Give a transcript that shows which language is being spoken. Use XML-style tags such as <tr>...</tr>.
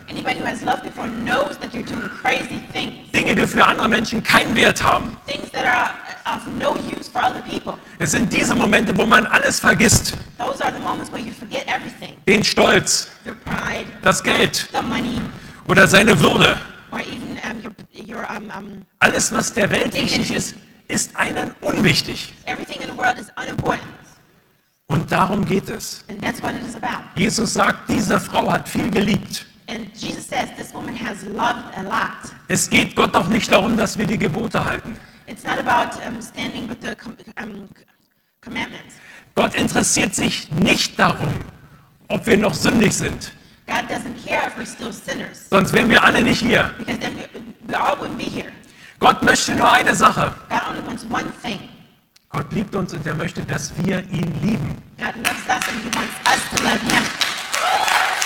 <en>Anybody who has loved before knows that you're doing crazy things.</en> <de>Dinge, die für andere Menschen keinen Wert haben.</de> <en>Things that are of no use for other people.</en> <de>Es sind diese Momente, wo man alles vergisst.</de> <en>Those are the moments where you forget everything.</en> <de>Den Stolz,</de> <en>the pride,</en> <de>das Geld,</de> <en>the money,</en> <de>oder seine Würde.</de> <en>Or even your</en> <de>alles, was der Welt wichtig ist, ist einem unwichtig.</de> <en>Everything in the world is unimportant.</en> <de>Und darum geht es.</de> <en>And that's what it is about.</en> <de>Jesus sagt, diese Frau hat viel geliebt.</de> <en>And Jesus says, this woman has loved a lot.</en> <de>Es geht Gott auch nicht darum, dass wir die Gebote halten.</de> <en>It's not about standing with the commandments.</en> <de>Gott interessiert sich nicht darum, ob wir noch sündig sind.</de> <en>God doesn't care if we're still sinners.</en> <de>Sonst wären wir alle nicht hier.</de> <en>Because then we all wouldn't be here.</en> <de>Gott möchte nur eine Sache.</de> <en>God only wants one thing.</en> <de>Gott liebt uns und er möchte, dass wir ihn lieben.</de> <en>God loves us and he wants us to love him.</en>